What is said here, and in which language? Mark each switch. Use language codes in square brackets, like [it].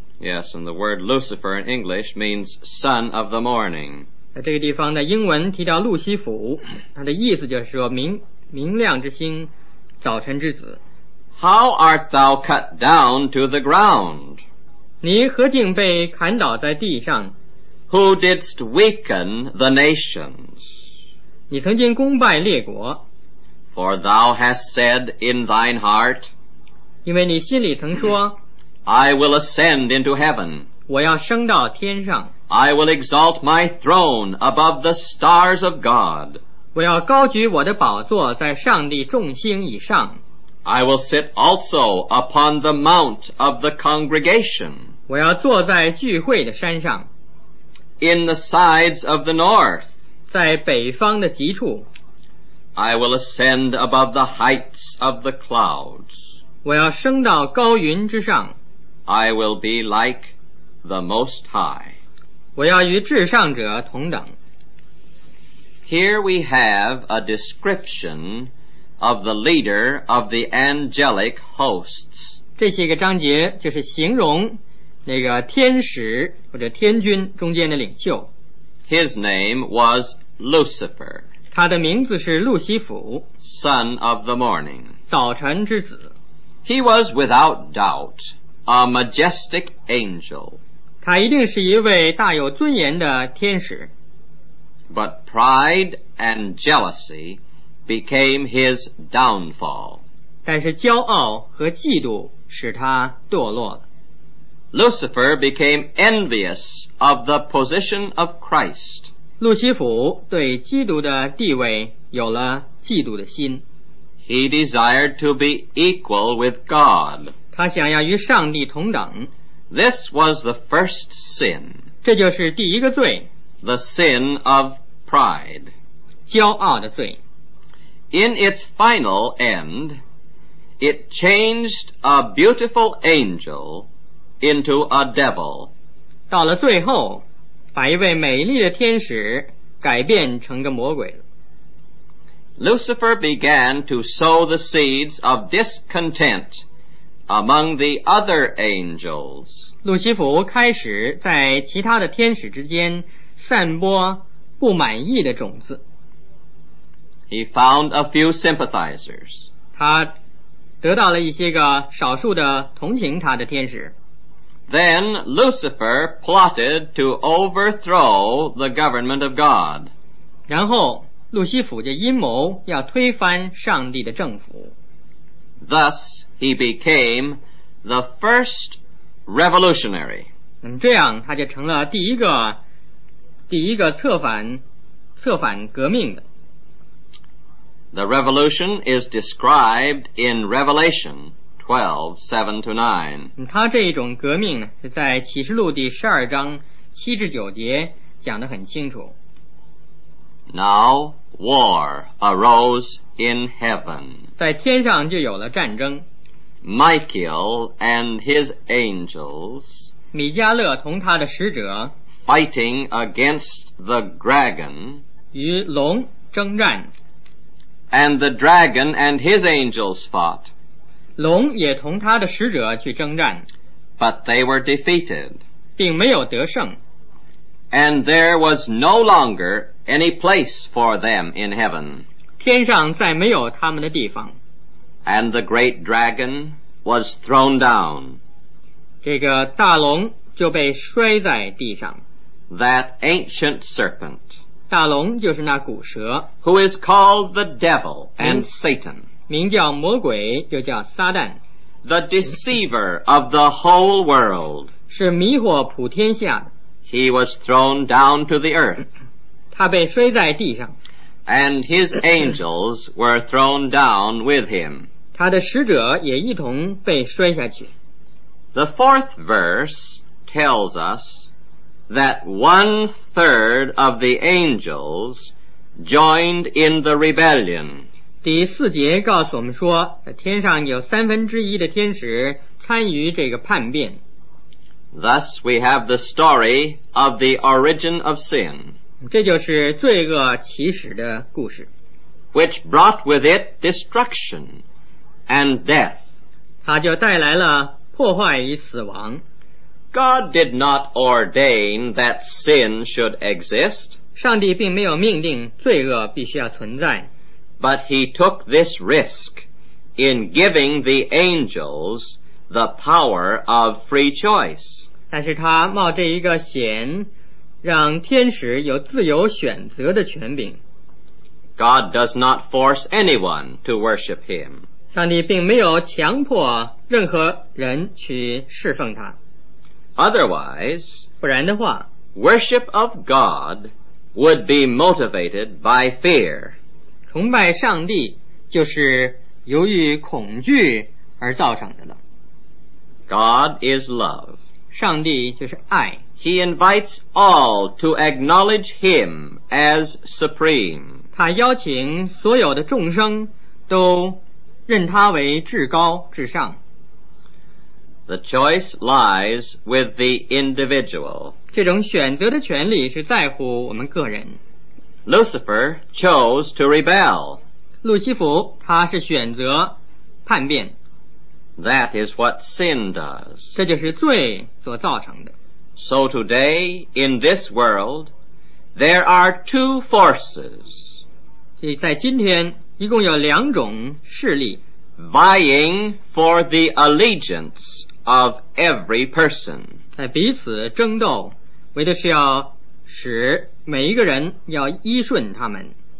[en] Yes, and the word Lucifer in English means son of the morning. [zh] 在这个地方的英文提到路西弗，它的意思就是说 明亮之星早晨之子。 [en] How art thou cut down to the ground? [zh] 你何竟被砍倒在地上？ [en] Who didst weaken the nations? [zh] 你曾经攻败列国。 [en] For thou hast said in thine heart, [zh] 因为你心里曾说， [en] I will ascend into heaven. [zh] 我要升到天上。 [en] I will exalt my throne above the stars of God. [zh] 我要高举我的宝座在上帝众星以上。 [en] I will sit also upon the mount of the congregation. [zh] 我要坐在聚会的山上。 [en] In the sides of the north. [zh] 在北方的极处。 [en] I will ascend above the heights of the clouds. [zh] 我要升到高云之上。 [en] I will be like the Most High. [zh] 我要与至上者同等。 [en] Here we have a description of the leader of the angelic hosts. [zh] 这些一个章节就是形容那个天使或者天军中间的领袖。 [en] His name was Lucifer. [zh] 他的名字是路西弗。 [en] Son of the morning. [zh] 早晨之子。 [en] He was without doubt a majestic angel. [zh] 他一定是一位大有尊严的天使。 [en] But pride and jealousy became his downfall. [zh] 但是骄傲和嫉妒使他堕落了。 [en] Lucifer became envious of the position of Christ. [zh] 路西弗对基督的地位有了嫉妒的心。 [en] He desired to be equal with God. [zh] 他想要与上帝同等。 [en] This was the first sin. [zh] 这就是第一个罪。 [en] The sin of pride. [zh] 骄傲的罪。 [en] In its final end, it changed a beautiful angel into a devil. [zh] 到了最后，把一位美丽的天使改变成个魔鬼了。 [en] Lucifer began to sow the seeds of discontent among the other angels. [zh] 路西弗开始在其他的天使之间散播不满意的种子。 [en] He found a few sympathizers. [zh] 他得到了一些个少数的同情他的天使。 [en] Then Lucifer plotted to overthrow the government of God. [zh] 然后路西弗就阴谋要推翻上帝的政府。 [en] Thus he became the first revolutionary. [zh] 这样他就成了第一个策反革命的。 [en] The revolution is described in Revelation 12:7-9. [zh] 他这一种革命是在启示录第十二章七至九节讲得很清楚。 [en] Now war arose in heaven. [zh] 在天上就有了战争。 [en] Michael and his angels, [zh] 米迦勒同他的使者 [en] fighting against the dragon, [zh] 与龙征战。 [en] And the dragon and his angels fought. [zh] 龙也同他的使者去征战。 [en] But they were defeated. [zh] 并没有得胜。 [en] And there was no longer any place for them in heaven. [zh] 天上再没有他们的地方。 [en] And the great dragon was thrown down. [zh] 这个大龙就被摔在地上。 [en] That ancient serpent. [zh] 大龙就是那古蛇。 [en] Who is called the devil and Satan. [zh] 名叫魔鬼又叫撒旦。 [en] The deceiver of the whole world. [zh] 是迷惑普天下的。 [en] He was thrown down to the earth. [zh] 他被摔在地上。 [en] And his angels were thrown down with him. [zh] 他的使者也一同被摔下去。 [en] The fourth verse tells us that one third of the angels joined in the rebellion. [zh] 第四节告诉我们说，天上有三分之一的天使参与这个叛变。 [en] Thus we have the story of the origin of sin. [zh] 这就是罪恶起始的故事。 [en] Which brought with it destruction and death. [zh] 它就带来了破坏与死亡。 [en] God did not ordain that sin should exist. [zh] 上帝并没有命定罪恶必须要存在。 [en] But he took this risk in giving the angels the power of free choice. [zh] 但是他冒这一个险，让天使有自由选择的权柄。 [en] God does not force anyone to worship him. [zh] 上帝并没有强迫任何人去侍奉他。 [en] Otherwise, [zh] 不然的话， [en] worship of God would be motivated by fear. [zh] 崇拜上帝就是由于恐惧而造成的了。 [en] God is love. [zh] 上帝就是爱。 [en] He invites all to acknowledge him as supreme. [zh] 他邀请所有的众生都认他为至高至上。 [en] The choice lies with the individual. [zh] 这种选择的权利是在乎我们个人。 [en] Lucifer chose to rebel. [zh] 路西弗他是选择叛变。 [en] That is what sin does. [zh] 这就是罪所造成的。 [en] So today, in this world, there are two forces. [zh] 在今天，一共有两种势力。 [en] Vying for the allegiance of every person. [zh] 在彼此争斗，为的是要使每一个人要依顺他们。